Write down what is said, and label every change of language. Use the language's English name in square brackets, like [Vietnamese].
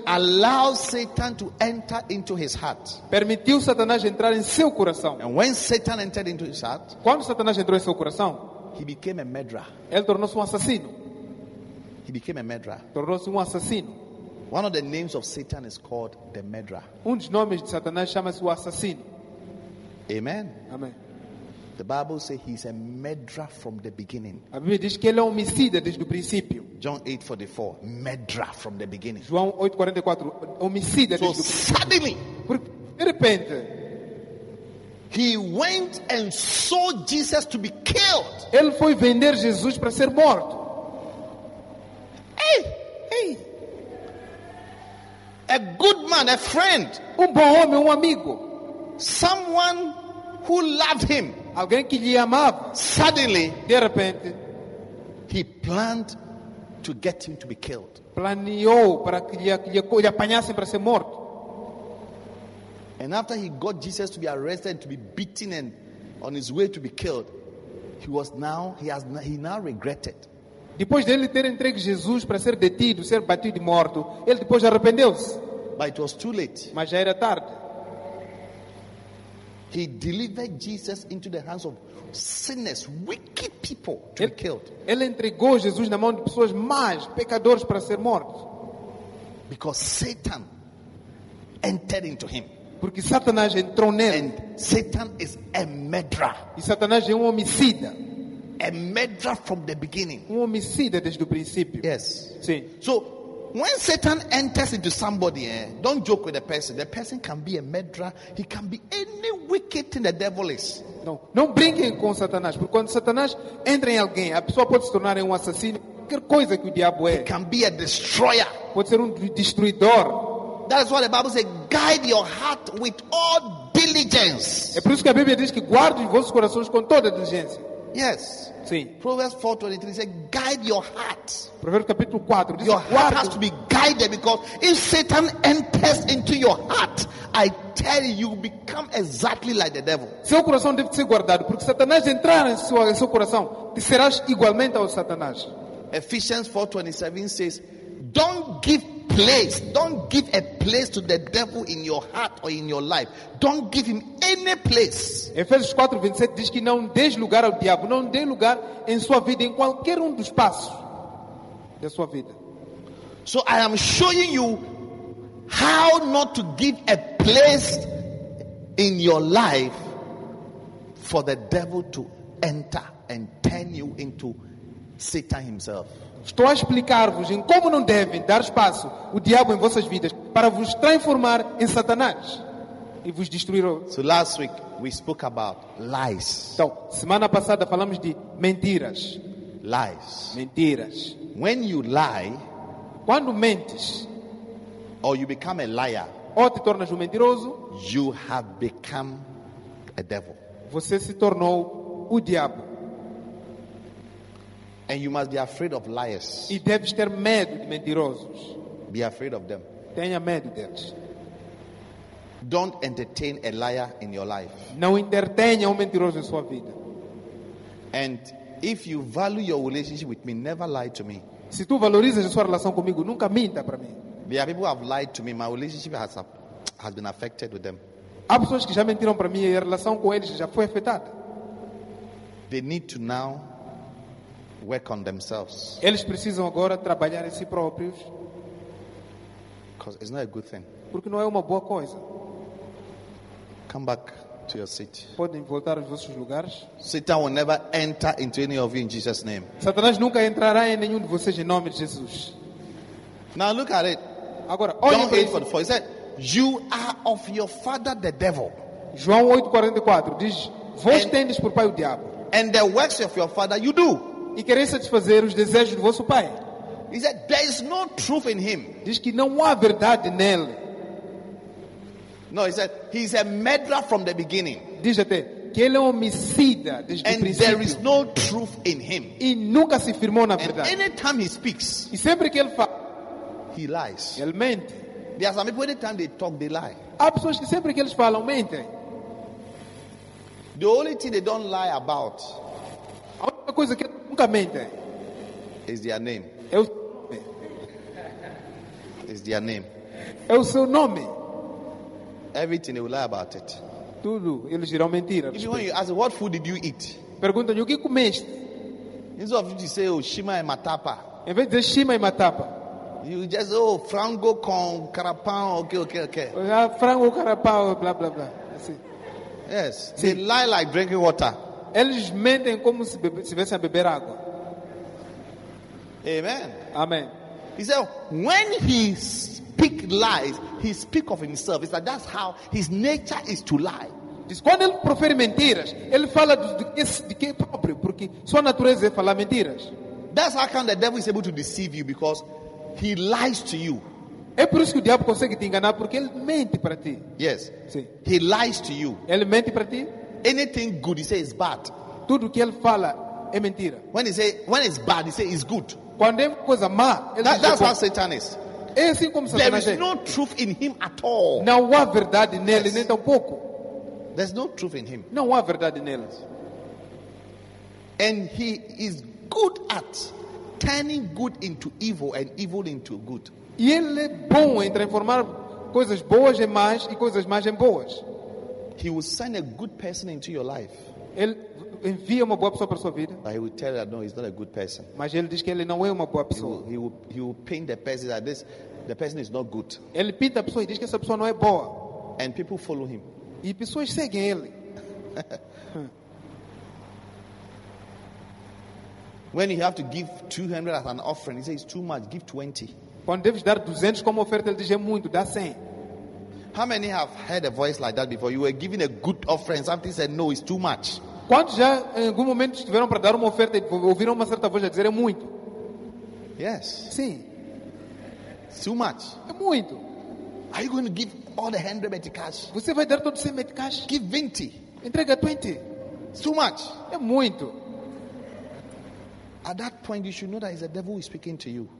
[English] allowed Satan to enter into his heart. [Portuguese] Permitiu Satanás entrar em seu coração. [English] And when Satan entered into his heart, [Portuguese] quando Satanás entrou em seu coração, [English] he became a murderer. [Portuguese] Ele tornou-se um assassino. [English] He became a murderer. [Portuguese] Tornou-se um assassino. [English] One of the names of Satan is called the murderer. [Portuguese] Um dos nomes de Satanás chama-se o assassino. [English] Amen. [Portuguese] Amém. [English] The Bible says he's a murderer from the beginning. [Portuguese] A Bíblia diz que ele é homicida desde o princípio. [English] John 8:44, murderer from the beginning. [Portuguese] João 8:44, homicida desde o princípio. [English] So suddenly, [Portuguese] de repente, [English] he went and sold Jesus to be killed. [Portuguese] Ele foi vender Jesus para ser morto. [English] Hey, hey. A good man, a friend. [Portuguese] Um bom homem, um amigo. [English] Someone who loved him. [Portuguese] Alguém que lhe amava. [English] Suddenly, [Portuguese] de repente, [English] he planned to get him to be killed. [Portuguese] Planeou para que lhe apanhassem para ser morto. [English] And after he got Jesus to be arrested and to be beaten and on his way to be killed, he now regretted. [Portuguese] Depois dele ter entregue Jesus para ser detido, ser batido e morto, ele depois arrependeu-se. [English] But it was too late. [Portuguese] Mas já era tarde. [English] He delivered Jesus into the hands of sinners, wicked people to be killed. [Portuguese] Ele entregou Jesus na mão de pessoas más, pecadores para ser morto. [English] Because Satan entered into him. [Portuguese] Porque Satanás entrou nele. [English] And Satan is a murderer. [Portuguese] E Satanás é um homicida. [English] A murderer from the beginning. [Portuguese] Um homicida desde o princípio. [English] Yes. [Portuguese] Sim. [English] So when Satan enters into somebody, don't joke with a person. The person can be a murderer. He can be any wicked thing the devil is. [Portuguese] Não, não brinque com Satanás, porque quando Satanás entra em alguém, a pessoa pode se tornar um assassino, qualquer coisa que o diabo é. [English] He can be a destroyer. [Portuguese] Pode ser um destruidor. [English] That is why the Bible says, guide your heart with all diligence. [Portuguese] É por isso que a Bíblia diz que guarde os vossos corações com toda diligência. [English] Yes. [Portuguese] Sim. [English] Proverbs 4:23 says, guide your heart. [Portuguese] Provérbios capítulo 4 diz, [English] your heart has to be guided, because if Satan enters into your heart, I tell you, you become exactly like the devil. [Portuguese] Seu coração deve ser guardado, porque Satanás entrar em seu coração, te serás igualmente ao Satanás. [English] Ephesians 4:27 says, don't give place, don't give a place to the devil in your heart or in your life. Don't give him any place. [Portuguese] Efésios 4:27 diz que não dê lugar ao diabo, não dê lugar em sua vida, em qualquer dos espaços da sua vida. [English] So I am showing you how not to give a place in your life for the devil to enter and turn you into Satan himself. [Portuguese] Estou a explicar-vos em como não devem dar espaço o diabo em vossas vidas para vos transformar em Satanás e vos destruir. [English] So last week we spoke about lies. [Portuguese] Então, semana passada falamos de mentiras. [English] Lies. [Portuguese] Mentiras. [English] When you lie, [Portuguese] quando mentes, [English] or you become a liar, [Portuguese] ou te tornas mentiroso, [English] you have become a devil. [Portuguese] Você se tornou o diabo. [English] And you must be afraid of liars. [Portuguese] E deves ter medo de mentirosos. [English] Be afraid of them. [Portuguese] Tenha medo deles. [English] Don't entertain a liar in your life. [Portuguese] Não entretenha mentiroso em sua vida. [English] And if you value your relationship with me, never lie to me. [Portuguese] Se tu valorizas a sua relação comigo, nunca minta para mim. [English] There are people who have lied to me. My relationship has been affected with them. [Portuguese] Há pessoas que já mentiram para mim e a relação com eles já foi afetada. [English] They need to now work on themselves. [Portuguese] Eles precisam agora trabalhar em si próprios. [English] Because it's not a good thing. [Portuguese] Porque não é uma boa coisa. [English] Come back to your seat. [Portuguese] Podem voltar aos vossos lugares. [English] Satan will never enter into any of you in Jesus' name. [Portuguese] Satanás nunca entrará em nenhum de vocês em nome de Jesus. [English] Now look at it. [Portuguese] Agora, [English] John 8:44 said, "You are of your father the devil." [Portuguese] João 8:44 diz: "Vós tendes por pai o diabo." [English] And the works of your father you do. [Portuguese] E quereis satisfazer os desejos do vosso pai. [English] He said, there is no truth in him. [Portuguese] Diz que não há verdade nele. [English] No, he said, he is a murderer from the beginning. [Portuguese] Diz até que ele é homicida desde [English] and [Portuguese] o princípio. [English] And there is no truth in him. [Portuguese] E nunca se firmou na verdade. [English] And anytime he speaks, [Portuguese] e sempre que ele fala, [English] he lies. [Portuguese] Ele mente. [English] There are some people, anytime they talk, they lie. [Portuguese] Há pessoas que sempre que eles falam, mentem. [English] The only thing they don't lie about, [Portuguese] a única coisa que nunca mente, [English] is their name. [Portuguese] É o nome. [English] Is their name. [Portuguese] É o seu nome. [English] Everything they will lie about it. [Portuguese] Tudo eles irão mentir. [English] Even when you ask, what food did you eat? [Portuguese] Pergunta-lhe o que comeste. [English] Instead of you to say, oh, shima e matapa. [Portuguese] Em vez de dizer shima e matapa. [English] You just, oh, [Portuguese] frango com carapau, [English] okay. [Portuguese] Frango carapau, blah blah blah. [English] Yes. See? They lie like drinking water. [Portuguese] Eles mentem como se estivessem a beber água. [English] Amen. Amen. He said, when he speak lies, he speak of himself. It's like that's how his nature is to lie. [Portuguese] Diz, quando ele profere mentiras, ele fala de que próprio, porque sua natureza é falar mentiras. [English] That's how come the devil is able to deceive you, because he lies to you. [Portuguese] É por isso que o diabo consegue te enganar, porque ele mente para ti. [English] Yes. [Portuguese] Sim. [English] He lies to you. [Portuguese] Ele mente para ti. [English] Anything good, he says, is bad. [Portuguese] Tudo que ele fala é mentira. [English] When it's bad, he says, it's good. [Portuguese] Quando é coisa má, ele diz, [English] that's how Satan is. [Portuguese] É assim como Satan. [English] There is no truth in him at all. [Portuguese] Não há verdade nele, nem tampouco. [English] There's no truth in him. [Portuguese] Não há verdade nele. [English] And he is good at turning good into evil and evil into good. [Portuguese] E ele é bom em transformar coisas boas em más e coisas más em boas. [English] He will send a good person into your life. [Portuguese] Ele envia uma boa pessoa para sua vida. [English] But he will tell that no, he's not a good person. [Portuguese] Mas ele diz que ele não é uma boa pessoa. [English] He will paint the person that this the person is not good. [Portuguese] Ele pinta a pessoa e diz que essa pessoa não é boa. [English] And people follow him. [Portuguese] E pessoas seguem ele. [English] When you have to give 200 as an offering, he says it's too much. Give 20. [Portuguese] Quando deves dar 200 como oferta, ele diz é muito. Dá 100. [English] How many have heard a voice like that before? You were giving a good offering, something said no, it's too much. [Portuguese] Quantos já em algum momento estiveram para dar uma oferta e ouviram uma certa voz a dizer é muito? [English] Yes. [Portuguese] Sim. [English] It's too much. [Portuguese] É muito. [English] Are you going to give all the 100 metric cash? [Portuguese] Você vai dar todo o 100 metric cash? [English] Give 20. [Portuguese] Entrega 20. [English] It's too much. [Portuguese] É muito. [English] At that point you should know that it's the devil who is speaking to you.